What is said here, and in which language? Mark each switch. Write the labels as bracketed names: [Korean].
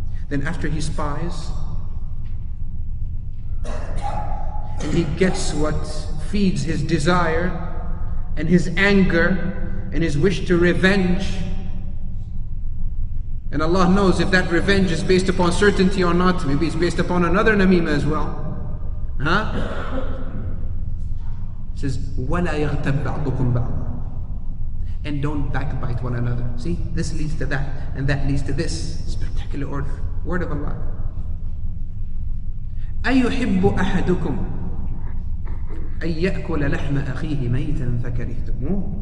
[English] Then after he spies, and he gets what feeds his desire, and his anger, and his wish to revenge, and Allah knows if that revenge is based upon certainty or not, maybe it's based upon another namima as well. Huh? He says, [Arabic] وَلَا يَغْتَبْ بَعْضُكُمْ بَعْضًا. [English] And don't backbite one another. See, this leads to that, and that leads to this. Spectacular order. Word of Allah. [Arabic] أَيُحِبُّ أَحَدُكُمْ أَن يَأْكُلَ لَحْمَ أَخِيهِ مَيْتًا فَكَرِهْتُمُوهُ.